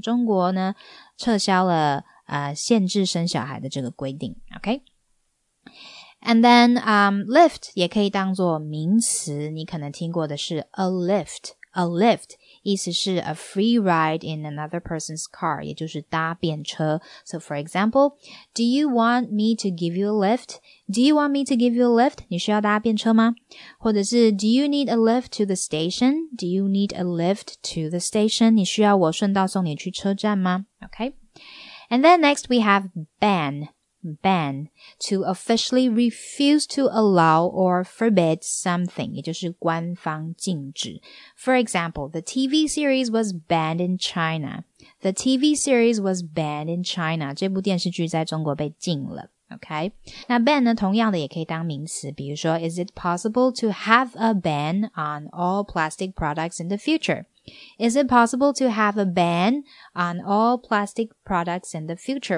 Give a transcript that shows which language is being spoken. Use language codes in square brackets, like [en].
[zh] 中国呢撤销了限制生小孩的这个规定。 [en] Okay? And then, [zh] lift 也可以当作名词。你可能听过的是 [en] a lift. A lift, [zh] 意思是 [en] a free ride in another person's car, [zh] 也就是搭便车。 [en] So for example, do you want me to give you a lift? Do you want me to give you a lift? [zh] 你需要搭便车吗？或者是 [en] do you need a lift to the station? Do you need a lift to the station? [zh] 你需要我顺道送你去车站吗？ [en] Okay. And then next we have ban, to officially refuse to allow or forbid something, [zh] 也就是官方禁止。 [en] For example, the TV series was banned in China. The TV series was banned in China. [zh] 这部电视剧在中国被禁了。 [en] Okay, [zh] 那 ban 呢同样的也可以当名词，比如说 [en] Is it possible to have a ban on all plastic products in the future? Is it possible to have a ban on all plastic products in the future?